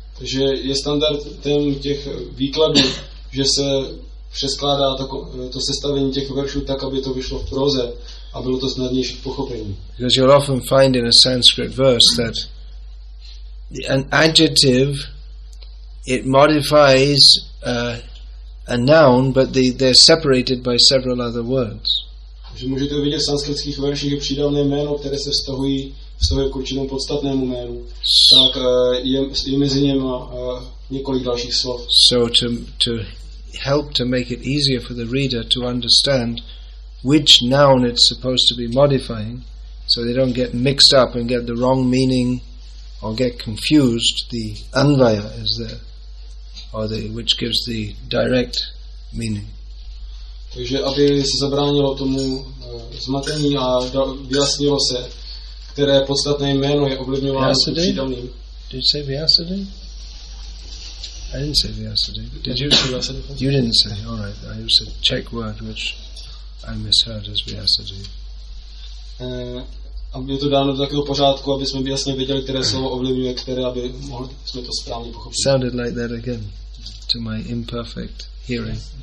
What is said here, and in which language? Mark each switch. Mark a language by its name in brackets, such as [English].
[Czech] Takže je standard ten těch výkladů, že se přeskládá to sestavení těch veršů tak, aby to vyšlo v proze a bylo to snadnější k pochopení. [English] Because you'll often find in a Sanskrit verse that an adjective, it modifies a noun, but they're separated by several other words. [Czech] Takže můžete vidět v sanskritských verších přídavné jméno, které se vztahuje k určitému podstatnému jménu, tak je mezi něma několik dalších slov. [English] So to help to make it easier for the reader to understand which noun it's supposed to be modifying, so they don't get mixed up and get the wrong meaning or get confused, the anvaya is there. Which gives the direct meaning. [Czech] Takže aby se zabránilo tomu zmatení a vyjasnilo se, které podstatné jméno je ovlivňováno přídavným. [English] Did you say Vyasadeva? I didn't say Vyasadeva. Did you say Vyasadeva? You didn't say. All right. I used a Czech word which I misheard as Vyasadeva. [Czech] Aby je to dáno do takového pořádku, aby jsme jasně věděli, které slovo ovlivňuje které, aby mohli jsme to správně pochopit. [English] Sounded like that again to my imperfect hearing.